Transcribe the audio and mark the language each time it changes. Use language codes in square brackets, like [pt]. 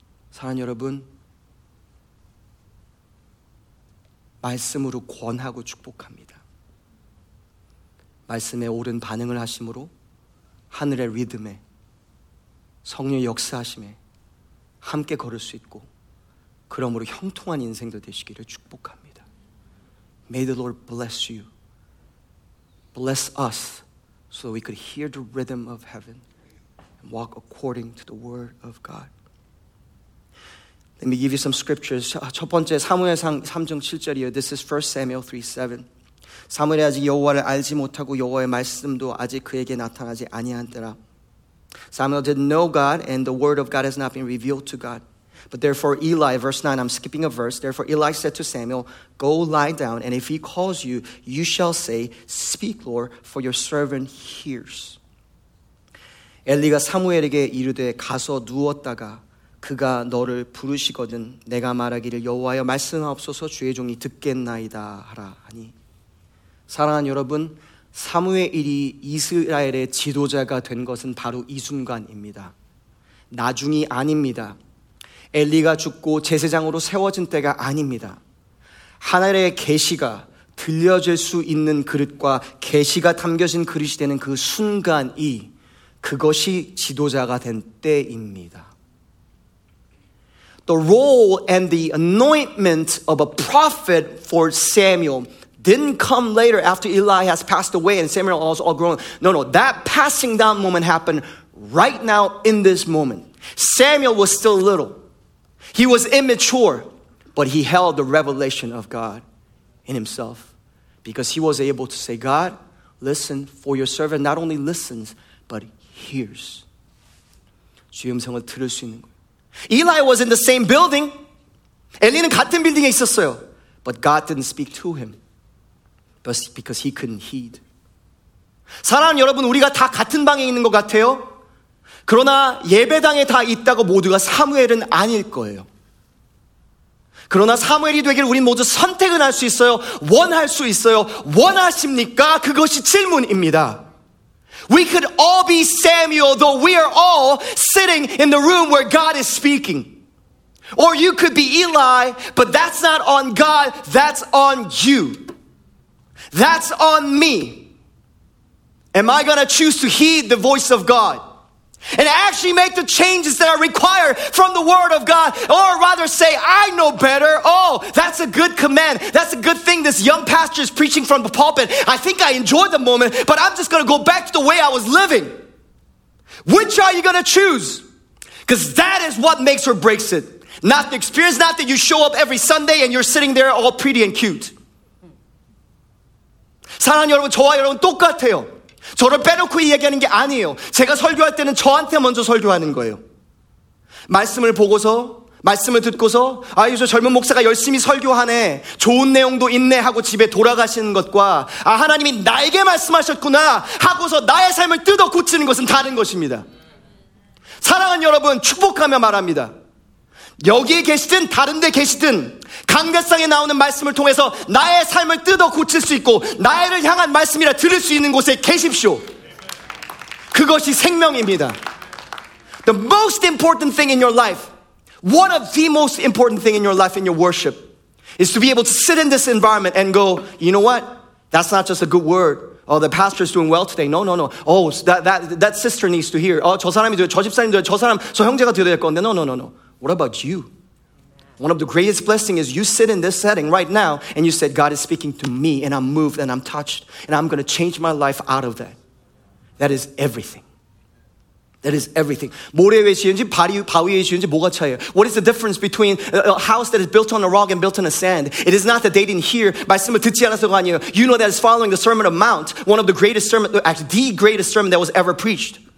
[ko] 사랑하는 여러분, 말씀으로 권하고 축복합니다. 말씀에 옳은 반응을 하심으로 하늘의 리듬에 성령의 역사하심에 함께 걸을 수 있고 그러므로 형통한 인생도 되시기를 축복합니다. [en] May the Lord bless you. Bless us so that we could hear the rhythm of heaven and walk according to the word of God. Let me give you some scriptures. [ko] 첫 번째 사무엘상 3장 7절이요. [en] This is 1 Samuel 3:7. [ko] 사무엘이 아직 여호와를 알지 못하고 여호와의 말씀도 아직 그에게 나타나지 아니한더라. [en] Samuel didn't know God and the word of God has not been revealed to God. But therefore Eli, verse 9, I'm skipping a verse. Therefore Eli said to Samuel, go lie down, and if he calls you, you shall say, speak, Lord, for your servant hears. [ko] 엘리가 사무엘에게 이르되 가서 누웠다가 그가 너를 부르시거든 내가 말하기를 여호와여 말씀하옵소서 주의 종이 듣겠나이다 하라 하니. 사랑하는 여러분, 사무엘이 이스라엘의 지도자가 된 것은 바로 이 순간입니다. 나중이 아닙니다. 엘리가 죽고 제사장으로 세워진 때가 아닙니다. 하늘의 계시가 들려질 수 있는 그릇과 계시가 담겨진 그릇이 되는 그 순간이 그것이 지도자가 된 때입니다. [en] The role and the anointment of a prophet for Samuel didn't come later after Eli has passed away and Samuel was all grown. No, no, that passing down moment happened right now in this moment. Samuel was still little. He was immature, but he held the revelation of God in himself because he was able to say, God, listen, for your servant not only listens, but hears. [ko] 주의 음성을 들을 수 있는 거예요. [en] Eli was in the same building. [ko] 엘리는 같은 빌딩에 있었어요. [en] But God didn't speak to him because he couldn't heed. [ko] 사랑하는 여러분, 우리가 다 같은 방에 있는 것 같아요. 그러나 예배당에 다 있다고 모두가 사무엘은 아닐 거예요. 그러나 사무엘이 되길 우린 모두 선택은 할 수 있어요. 원할 수 있어요. 원하십니까? 그것이 질문입니다. [en] We could all be Samuel, though we are all sitting in the room where God is speaking. Or you could be Eli, but that's not on God, that's on you. That's on me. Am I going to choose to heed the voice of God? And actually make the changes that are required from the word of God. Or rather say, I know better. Oh, that's a good command. That's a good thing this young pastor is preaching from the pulpit. I think I enjoyed the moment, but I'm just going to go back to the way I was living. Which are you going to choose? Because that is what makes or breaks it. Not the experience, not that you show up every Sunday and you're sitting there all pretty and cute. [ko] 사랑하는 여러분, 저와 여러분 똑같아요. 저를 빼놓고 이야기하는 게 아니에요. 제가 설교할 때는 저한테 먼저 설교하는 거예요. 말씀을 보고서, 말씀을 듣고서 아, 요즘 젊은 목사가 열심히 설교하네. 좋은 내용도 있네 하고 집에 돌아가시는 것과 아, 하나님이 나에게 말씀하셨구나 하고서 나의 삶을 뜯어 고치는 것은 다른 것입니다. 사랑하는 여러분, 축복하며 말합니다. 여기에 계시든 다른 데 계시든 강대상에 나오는 말씀을 통해서 나의 삶을 뜯어 고칠 수 있고 나를 향한 말씀이라 들을 수 있는 곳에 계십시오. 그것이 생명입니다. [en] The most important thing in your life, one of the most important thing in your life in your worship is to be able to sit in this environment and go, you know what? That's not just a good word. Oh, the pastor is doing well today. No, no, no. Oh, that sister needs to hear. Oh, [ko] 저 사람이 돼요. 저 집사님 돼요. 저 사람, 저 형제가 돼야 될 건데. [en] No, no, no, no. What about you? One of the greatest blessings is you sit in this setting right now and you said, God is speaking to me and I'm moved and I'm touched and I'm going to change my life out of that. That is everything. That is everything. [ko] 모래에 지은지 바위에 지은지 뭐가 차이야? [en] What is the difference between a house that is built on a rock and built on a sand? It is not that they didn't hear [ko] 말씀을 듣지 않았을 거 아니에요. [en] You know that is following the Sermon on Mount, one of the greatest sermon, actually the greatest sermon that was ever preached.